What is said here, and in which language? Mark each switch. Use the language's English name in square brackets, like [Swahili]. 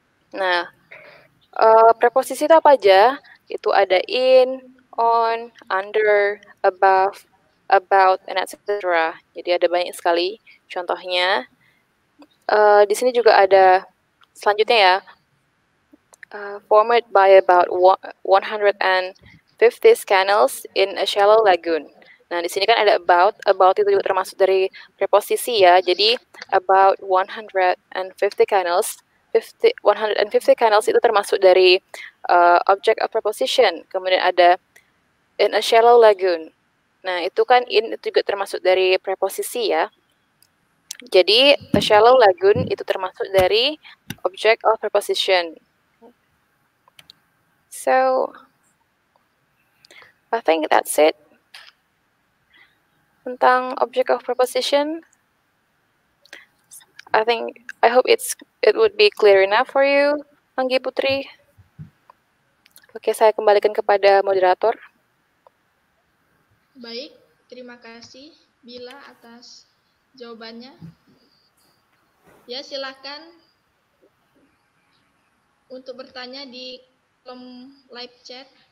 [Indonesian] Nah, preposisi itu apa aja? Itu ada in, on, under, above, about, and etc. Jadi ada banyak sekali contohnya. Di sini juga ada selanjutnya ya. [English] Formed by about 150 canals in a shallow lagoon. [Indonesian] Nah, di sini kan ada about. About itu juga termasuk dari preposisi ya. Jadi, about 150 canals. 150 canals itu termasuk dari object of preposition. Kemudian ada in a shallow lagoon. Nah, itu kan in itu juga termasuk dari preposisi ya. Jadi, a shallow lagoon itu termasuk dari object of preposition. [English] So, I think that's it. [Indonesian] Tentang [English] object of preposition, I hope it would be clear enough for you, Anggi Putri. [Indonesian] Oke, saya kembalikan kepada moderator. Baik, terima kasih Bila atas jawabannya. Ya, silakan untuk bertanya di kolom live chat.